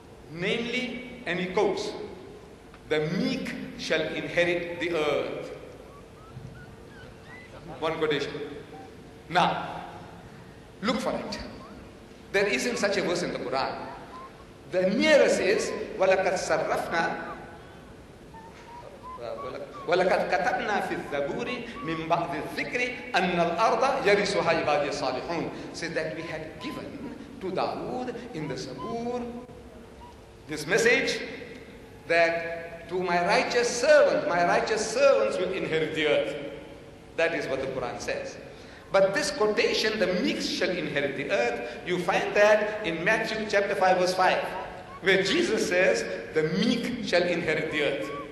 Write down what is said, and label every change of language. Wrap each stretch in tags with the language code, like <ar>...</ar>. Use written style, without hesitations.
<en>Namely, and he quotes, the meek shall inherit the earth. One quotation. Now, look for it. There isn't such a verse in the Quran. The nearest is,</en> <ar>وَلَكَدْ سَرَّفْنَا وَلَكَدْ كَتَبْنَا فِي الزَّبُورِ مِنْ بَعْدِ الذِّكْرِ أَنَّ الْأَرْضَ يَرِسُهَا عِبَادِيَ الصَّالِحُونَ.</ar> <en>Says that we had given to Dawood in the Zabur this message that to my righteous servants will inherit the earth. That is what the Quran says. But this quotation, the meek shall inherit the earth, you find that in Matthew chapter 5 verse 5, where Jesus says, the meek shall inherit the earth.</en>